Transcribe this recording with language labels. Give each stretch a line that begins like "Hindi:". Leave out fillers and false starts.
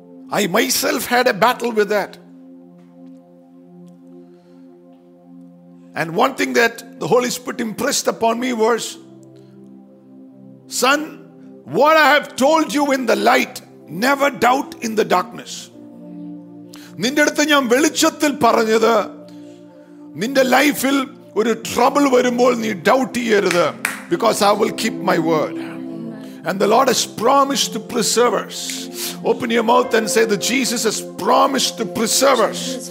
English: I myself had a battle with that. And one thing that the Holy Spirit impressed upon me was, son, what I have told you in the light, never doubt in the darkness.
Malayalam: നിന്റെ അടുത്ത് ഞാൻ വെളിച്ചത്തിൽ പറഞ്ഞത് നിന്റെ ലൈഫിൽ ഒരു trouble വരുമ്പോൾ നീ ഡൗട്ട് ചെയ്യരുത്
English: Because I will keep my word and the lord has promised to preserve us. Open your mouth and say that Jesus has promised to preserve us.